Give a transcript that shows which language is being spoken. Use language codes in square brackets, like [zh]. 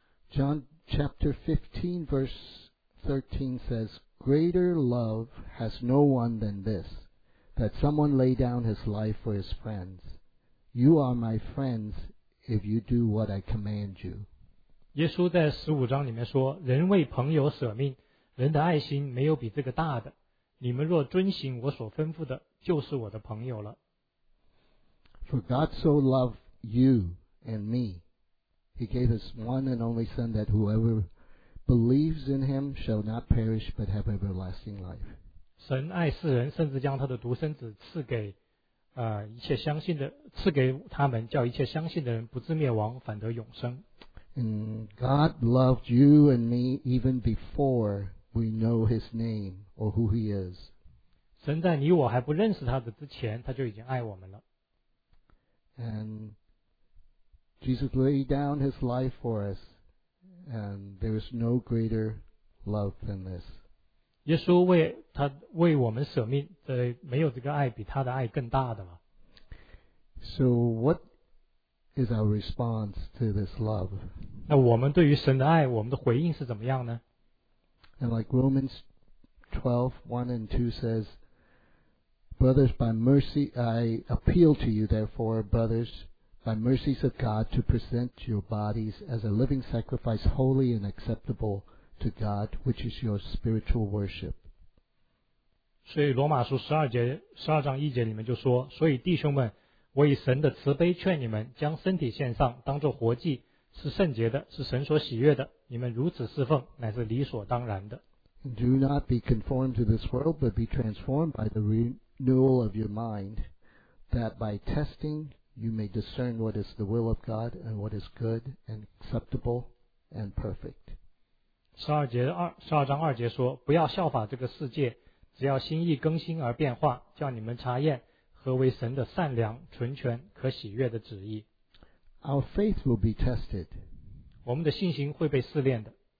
[en] John chapter 15 verse 13 says, Greater love has no one than this, that someone lay down his life for his friends. You are my friends if you do what I command you. [zh] 耶稣在十五章里面说，人为朋友舍命，人的爱心没有比这个大的。你们若遵行我所吩咐的，就是我的朋友了。 [en] For God so loved you and me, He gave His one and only Son that whoever believes in Him shall not perish but have everlasting life. [zh] 神爱世人，甚至将他的独生子赐给一切相信的，赐给他们，叫一切相信的人不至灭亡，反得永生。 [en] And God loved you and me even before we know His name or who He is. [zh] 神在你我还不认识他的之前，他就已经爱我们了。 [en] And Jesus laid down His life for us, and there is no greater love than this. [zh] 耶稣为我们舍命，这没有这个爱比他的爱更大的了。 [en] So what is our response to this love? [zh] 那我们对于神的爱，我们的回应是怎么样呢？ [en] And like Romans 12, 1 and 2 says,Brothers, by mercy, I appeal to you, therefore, brothers, by mercies of God, to present your bodies as a living sacrifice, holy and acceptable to God, which is your spiritual worship. [zh] 所以罗马书十二章一节里面就说，所以弟兄们，我以神的慈悲劝你们，将身体献上，当作活祭，是圣洁的，是神所喜悦的。你们如此侍奉，乃是理所当然的。 [en] Do not be conformed to this world, but be transformed by the renewal of your mind, that by testing you may discern what is the will of God and what is good and acceptable and perfect. [zh] 十二章二节说，不要效法这个世界，只要心意更新而变化，叫你们查验何为神的善良、纯全、可喜悦的旨意。 [en] Our faith will be tested. [zh] 我们的信心会被试炼的。